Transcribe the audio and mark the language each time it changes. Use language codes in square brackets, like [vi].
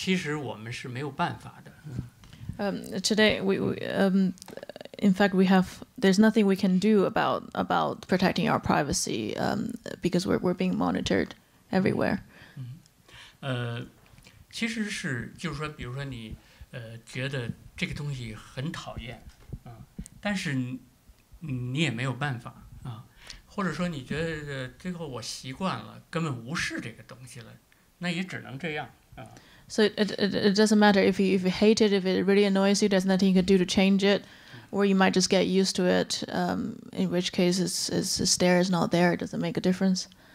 [zh] 我觉得呢，在今天哈，实际上呢，那个，我们其实是对今天的这种，或者这种隐私也好，或者对今天的这个无处不在的监控摄像头，也好，其实我们是没有办法的。 [en] Today, in fact, we have. There's nothing we can do about protecting our privacy because we're being monitored everywhere. [zh] 其实是，就是说，比如说你觉得这个东西很讨厌，但是你也没有办法，或者说你觉得最后我习惯了，根本无视这个东西了，那也只能这样。 [en] So it doesn't matter if you hate it, if it really annoys you, there's nothing you can do to change it, or you might just get used to it, in which case it's there, it's not there, it doesn't make a difference.